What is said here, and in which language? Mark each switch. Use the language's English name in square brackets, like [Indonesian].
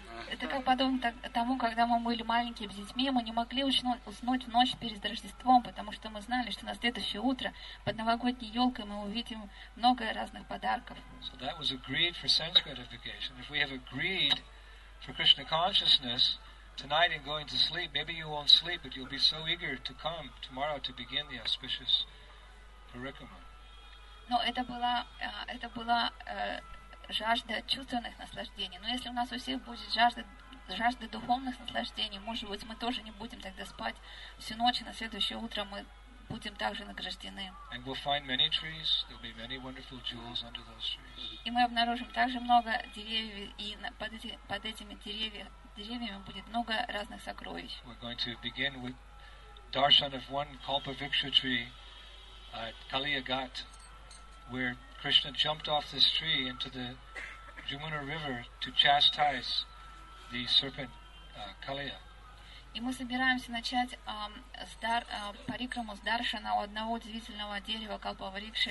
[Russian] Это как подобно тому, когда мы были маленькими детьми, мы не могли уснуть в ночь перед Рождеством, потому что мы знали, что на следующее утро под новогодней елкой мы увидим много разных подарков. [English] So that was agreed for sense gratification. If we have agreed for Krishna consciousness tonight and going to sleep, maybe you won't sleep, but you'll be so eager to come tomorrow to begin the auspicious parikrama. [Russian] Но это была жажда чувственных наслаждений. Но если у нас у всех будет жажда духовных наслаждений, может быть, мы тоже не будем тогда спать всю ночь, и на следующее утро мы будем также награждены. [English] And we'll find many trees. There'll be many wonderful jewels under those trees. [Russian] И мы обнаружим также много деревьев, и под этими деревьями будет много разных сокровищ. [English] We're going to begin with darshan of one Kalpavriksha tree at Kaliyagat, where Krishna jumped off this tree into the Jumuna River to chastise the serpent Kaliya. [Russian] И мы собираемся начать парикраму с даршана у одного удивительного дерева Калпаврикша.